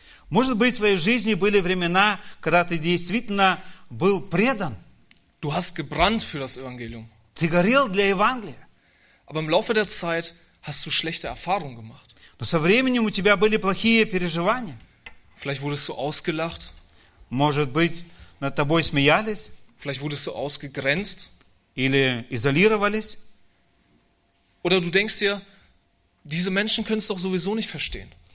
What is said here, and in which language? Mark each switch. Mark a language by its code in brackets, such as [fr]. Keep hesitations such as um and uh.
[ru] Может быть, в твоей жизни были времена, когда ты действительно был предан. [de] Du hast gebrannt für das Evangelium. [ru] Ты горел для Евангелия. [de] Aber im Laufe der Zeit hast du schlechte Erfahrungen gemacht. [ru] Но со временем у тебя были плохие переживания. [de] Vielleicht wurdest du ausgelacht. [ru] Может быть, над тобой смеялись. [de] Vielleicht wurdest du ausgegrenzt. [ru] Или изолировались. [de] Oder du denkst dir, diese Menschen können es doch sowieso nicht verstehen.